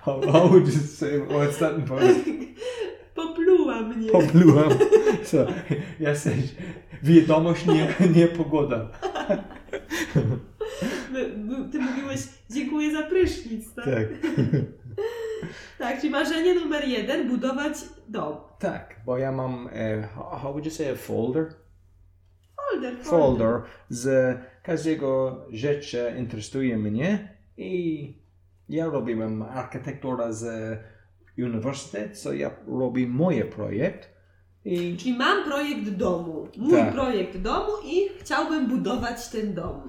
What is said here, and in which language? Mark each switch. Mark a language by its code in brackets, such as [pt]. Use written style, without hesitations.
[en] How would you say, what's that in Polish? [pl] Popluła mnie. Popluła. So, jesteś wiadomość, nie pogoda. Ty mówiłeś, dziękuję za prysznic, tak? Tak. Tak, czyli marzenie numer jeden, budować dom. Tak, bo ja mam, [en] how would you say, a folder? [pl] Folder. Z każdego rzeczy interesuje mnie i ja robiłem architektura z uniwersytetu, so ja robię moje projekt. I... Czyli mam projekt domu, mój tak. projekt domu i chciałbym budować ten dom.